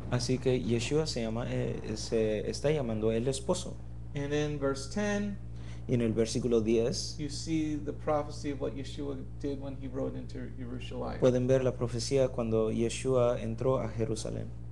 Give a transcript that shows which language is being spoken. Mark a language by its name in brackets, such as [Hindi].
[Spanish] Así que Yeshua se está llamando el esposo. [English] And in verse 10, [Spanish] en el versículo 10, [English] you see the prophecy of what Yeshua did when he rode into Jerusalem. [Spanish] Pueden ver la profecía cuando Yeshua entró a Jerusalén.